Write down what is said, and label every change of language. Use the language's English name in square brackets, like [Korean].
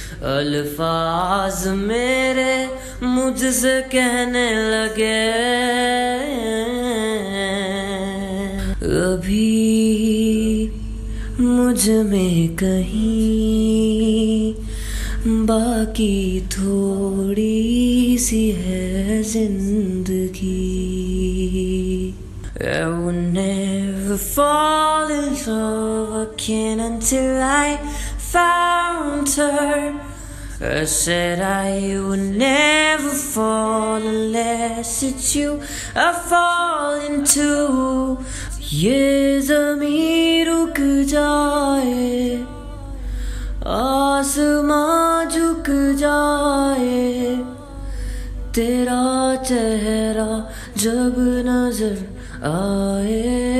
[Hindi] अल्फाज मेरे मुझसे कहने लगे, अभी मुझ में कहीं बाकी थोड़ी सी है जिंदगी। [English] I will never fall in love again until I found her. I said I will never fall unless it's you I fall into. [Hindi] ये ज़मीं रुक जाए, आसमां झुक जाए, तेरा चेहरा जब नजर आए,